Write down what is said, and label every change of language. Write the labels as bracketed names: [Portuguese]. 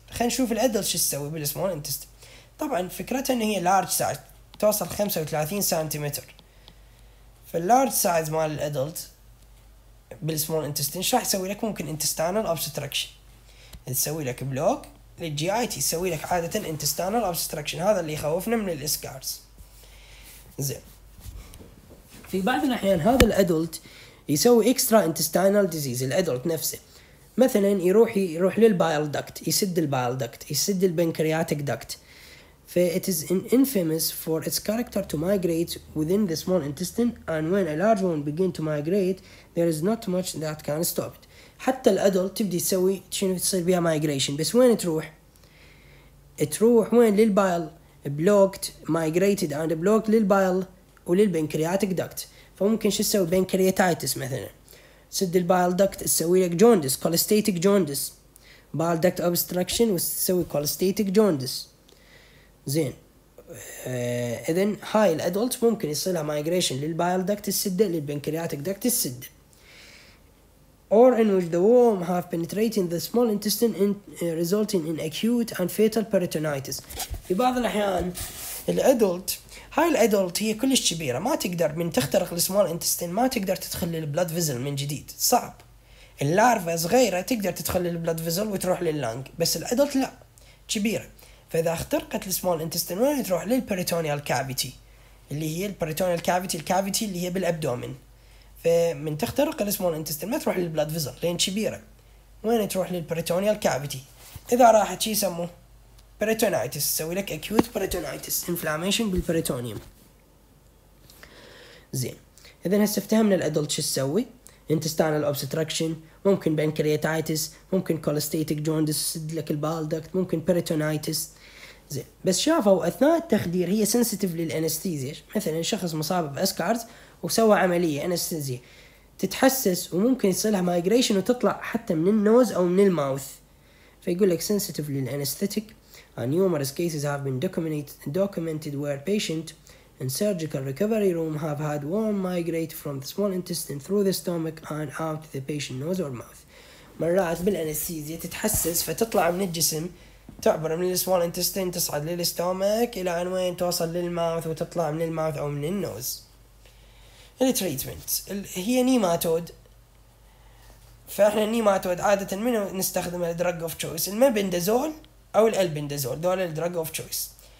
[Arabic] خلينا نشوف الادلت شو تسوي بالسمول انتست. طبعا فكرتها ان هي لارج سايز توصل 35 سنتيمتر، فاللارج سايز مال الادلت بالسمول انتستين شو راح يسوي لك؟ ممكن انتستانال ابستراكشن، تسوي لك بلوك للجي اي تي، تسوي لك عاده انتستانال ابستراكشن، هذا اللي يخوفنا من الاسكارز. زين في بعض الاحيان هذا الادلت يسوي اكسترا انتستانال ديزيز، الادلت نفسه مثلا يروح للبايل دكت، يسد البايل دكت، يسد البنكرياتيك دكت. [English] ف it is infamous for its character to migrate within the small intestine and when a large one begin to migrate there is not much that can stop it. [Arabic] حتى الادلت تبدي تسوي شنو تصير بها migration، بس وين تروح؟ تروح وين؟ للبايل بلوكت [English] migrated and [Arabic] بلوكت للبايل وللبنكرياتيك دكت. فممكن شو تسوي؟ بنكرياتيتس مثلا، سد البايل دكت تسوي لك جوندس كوليستاتيك جوندس، بايل دكت ابستراكشن وتسوي كوليستاتيك جوندس. زين اذن هاي الادلت ممكن يصير لها مايجريشن للبايل دكت السده للبنكرياتيك دكت السده. [English] Or in which the worm have penetrated the small intestine in, resulting in acute and fatal peritonitis. [Arabic] في بعض الاحيان الادلت هاي الادلت هي كلش كبيره، ما تقدر من تخترق السمول انتستين ما تقدر تدخل للبلد فيزل من جديد، صعب. اللارفا صغيره تقدر تدخل للبلد فيزل وتروح لللانج، بس الادلت لا كبيره، فاذا اخترقت السمول انتستين وين تروح؟ للبريتونيال كافيتي، اللي هي البريتونيال كافيتي الكافيتي اللي هي بالابدومين. فمن تخترق السمول انتستين ما تروح للبلد فيزل لان كبيره، وين تروح؟ للبريتونيال كافيتي. اذا راحت شي يسموه peritonitis، تسوي لك acute peritonitis inflammation بالperitoneum. زين إذن هسه افتهمنا الأدلت شو تسوي، intestinal obstruction، ممكن pancreatitis، ممكن cholestatic jaundice سد لك البايل دكت، ممكن peritonitis. زين بس شافوا أثناء التخدير هي sensitive للأنستيزيا، مثلا شخص مصاب بأسكارز وسوى عملية أنستيزيا تتحسس وممكن يصير لها migration وتطلع حتى من النوز أو من الماوث، فيقول لك sensitive للأنستيتيك. [English] And numerous cases have been documented where patient in surgical recovery room have had worm migrate from the small intestine through the stomach and out the patient nose or mouth. [Arabic] مرات بالأنستيزيا تتحسس فتطلع من الجسم، تعبر من السمول انتستين تصعد للستومك إلى أن وين؟ توصل للماوث وتطلع من الماوث أو من النوز. التريتمنت هي نيماتود، فإحنا نيماتود عادة منو نستخدم؟ الدراج أوف تشويس المبندازول او الالبندازول، دول الدراج اوف تشويس.